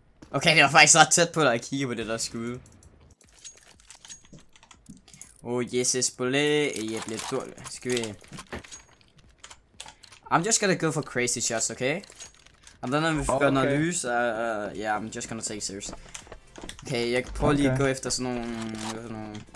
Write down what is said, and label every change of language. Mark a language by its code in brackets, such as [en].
[da] Okay, det var faktisk ret tæt på dig at kigge på det der skud. Oh Jesus, bolle, jeg bliver dårlig. Skal vi... [en] I'm just gonna go for crazy shots, okay? And then if we're gonna lose, yeah, I'm just gonna take it serious. [da] Okay, jeg prøver lige at gå efter sådan nogle B...